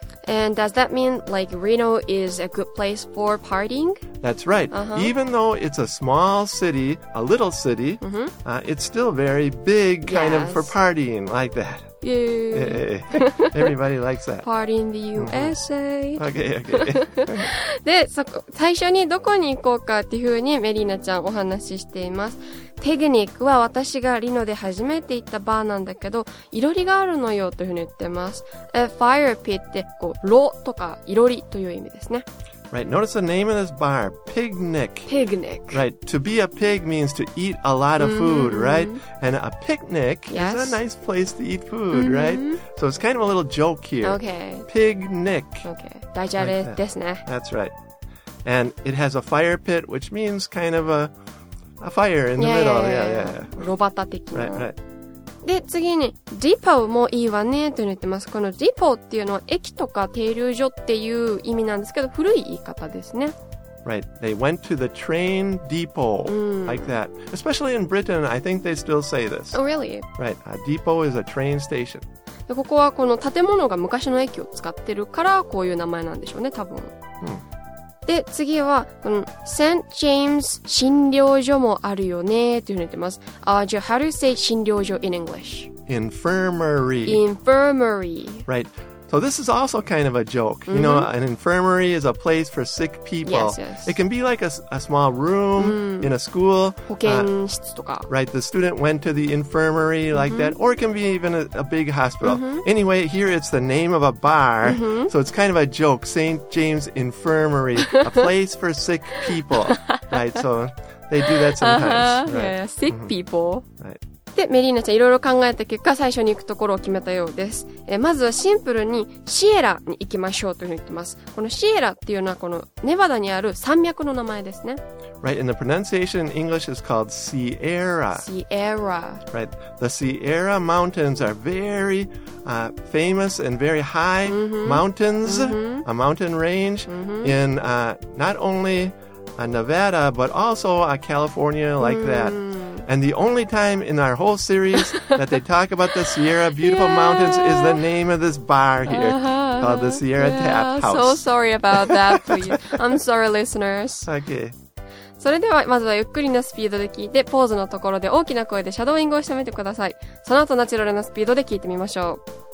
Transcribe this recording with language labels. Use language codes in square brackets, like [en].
[en] And does that mean, like, Reno is a good place for partying? That's right. Uh-huh. Even though it's a small city, a little city, mm-hmm. It's still very big kind yes. of for partying like that. Yay. Hey, everybody likes that. Party in the USA. Mm-hmm. Okay, okay. [ja] で、そこ、最初にどこに行こうかっていうふうにメリーナちゃんお話ししています。テグニックは私がリノで初めて行ったバーなんだけど、いろりがあるのよというふうに言ってます。 Fire pit って、こう、炉とかいろりという意味ですね。 [en] Right, notice the name of this bar, Picnic. Picnic. Right, to be a pig means to eat a lot of food, mm-hmm. right? And a picnic yes. is a nice place to eat food, mm-hmm. right? So it's kind of a little joke here. Okay. Picnic. Okay. Daijare like that. Desu ne. That's right. And it has a fire pit, which means kind of a fire in the yeah, middle. Yeah, yeah, yeah. yeah. [ja] Robata-teki. [en] Right, right. [ja] で、次に、ディポーもいいわね、と言ってます。このディポーっていうのは、駅とか停留所っていう意味なんですけど、古い言い方ですね。 [en] Right. They went to the train depot,、 mm. like that. Especially in Britain, I think they still say this. Oh, really? Right. A depot is a train station. [ja] で、ここはこの建物が昔の駅を使ってるから、こういう名前なんでしょうね、多分。 Hmm. で、次は、この、St. James 診療所もあるよね、というふうに言ってます。 [en] じゃあ、how do you say 診療所 in English? Infirmary. Infirmary. Right. So this is also kind of a joke.、 Mm-hmm. You know, an infirmary is a place for sick people. Yes, yes. It can be like a small room、 mm-hmm. in a school. [ja] 保健室とか。 [en] Right. The student went to the infirmary like、 mm-hmm. that. Or it can be even a big hospital.、 Mm-hmm. Anyway, here it's the name of a bar.、 Mm-hmm. So it's kind of a joke. St. James Infirmary. A place for sick people. Right. So they do that sometimes.、 Uh-huh. Right. Yeah, yeah. Sick、mm-hmm. people. Right. [ja] で、メリーナちゃんいろいろ考えた結果、最初に行くところを決めたようです。まずはシンプルにシエラに行きましょうというふうに言ってます。このシエラっていうのはこのネバダにある山脈の名前ですね。 [en] Right, and the pronunciation in English is called Sierra. Sierra. Right, the Sierra Mountains are very、famous and very high、 mm-hmm. mountains,、 mm-hmm. a mountain range、 mm-hmm. in、not only Nevada, but also California like、 mm-hmm. that. And the only time in our whole series that they talk about the Sierra beautiful、 yeah. mountains is the name of this bar here、 uh-huh. called the Sierra、 yeah. Tap House. So sorry about that, please. I'm sorry, listeners. Okay. [ja] それではまずはゆっくりなスピードで聞いてポーズのところで大きな声でシャドーイングをしてみてください。その後ナチュラルなスピードで聞いてみましょう。